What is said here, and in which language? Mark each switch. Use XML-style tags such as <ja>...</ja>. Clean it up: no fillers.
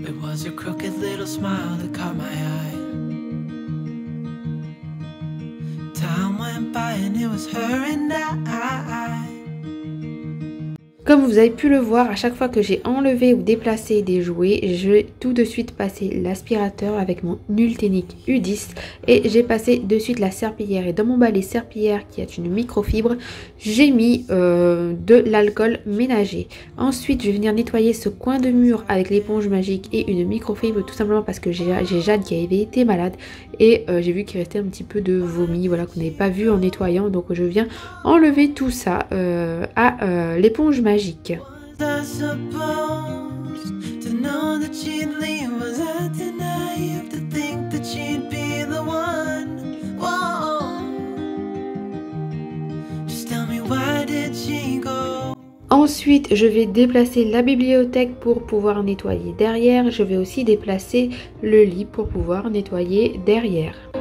<en>was your crooked little smile that caught my eye. Time went by and it was her and I.</en> <fr>Comme vous avez pu le voir, à chaque fois que j'ai enlevé ou déplacé des jouets, j'ai tout de suite passé l'aspirateur avec mon Nultenic U10 et j'ai passé de suite la serpillière. Et dans mon balai serpillière qui est une microfibre, j'ai mis de l'alcool ménager. Ensuite, je vais venir nettoyer ce coin de mur avec l'éponge magique et une microfibre, tout simplement parce que j'ai Jade qui avait été malade et j'ai vu qu'il restait un petit peu de vomi, voilà, qu'on n'avait pas vu en nettoyant. Donc je viens enlever tout ça à l'éponge magique.</fr> <en>Was I supposed to know that she'd leave? Was I naive to think that she'd be the one? Whoa. Just tell me, why did she go?</en> <fr>Ensuite, je vais déplacer la bibliothèque pour pouvoir nettoyer derrière. Je vais aussi déplacer le lit pour pouvoir nettoyer derrière.</fr>